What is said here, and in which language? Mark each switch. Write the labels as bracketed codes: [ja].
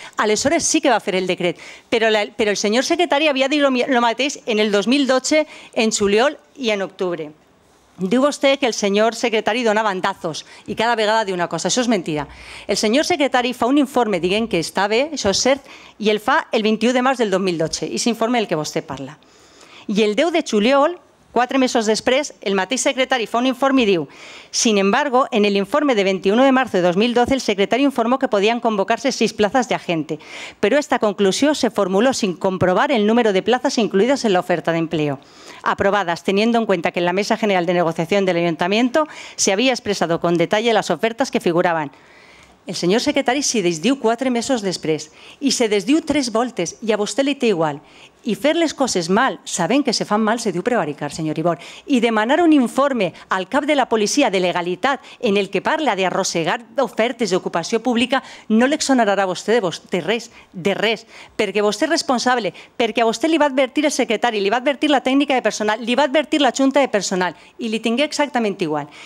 [ca] Aleshores sí que va fer el decret, però el senyor secretari havia dit el mateix en el 2012, en juliol i en octubre. Diu vostè que el senyor secretari dona bandazos i cada vegada diu una cosa. Això és mentida. El senyor secretari fa un informe dient que està bé, això és cert, i el fa el 21 de març del 2012, i s'informa del que vostè parla. I el 10 de juliol, 4 mesos després, el mateix secretari fa un informe i diu, [es] sin embargo, en el informe de 21 de marzo de 2012, el secretari informó que podían convocarse 6 plazas de agente, pero esta conclusión se formuló sin comprobar el número de plazas incluidas en la oferta de empleo aprobadas, teniendo en cuenta que en la mesa general de negociación del ayuntamiento se había expresado con detalle las ofertas que figuraban. [ca] El senyor secretari se desdiu 4 mesos després i se desdiu 3 voltes i a vostè li té igual. i fer les coses mal, sabent que se fan mal, se diu prevaricar, senyor Ibor. I demanar un informe al cap de la policia de legalitat en el que parla d'arrossegar ofertes d'ocupació pública no l'exonerarà a vostè de res, perquè vostè és responsable, perquè a vostè li va advertir el secretari, li va advertir la tècnica de personal, li va advertir la junta de personal i li tingué exactament igual.